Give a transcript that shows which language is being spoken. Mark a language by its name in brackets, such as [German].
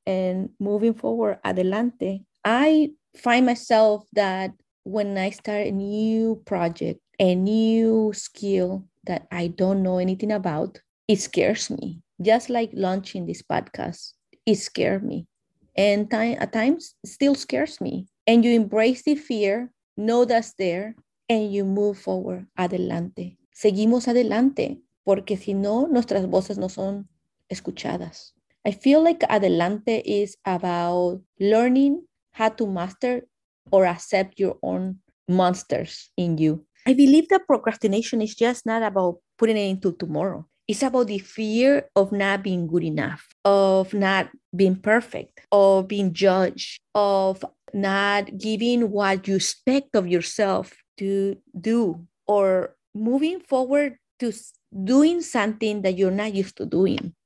[English] And moving forward, Adelante, I find myself that when I start a new project, a new skill that I don't know anything about, it scares me. Just like launching this podcast, it scared me. And at times, it still scares me. And you embrace the fear, know that's there, and you move forward, adelante. [Spanish] Seguimos adelante, porque si no, nuestras voces no son escuchadas. [English] I feel like Adelante is about learning how to master or accept your own monsters in you. I believe that procrastination is just not about putting it into tomorrow. It's about the fear of not being good enough, of not being perfect, of being judged, of not giving what you expect of yourself to do, or moving forward to doing something that you're not used to doing.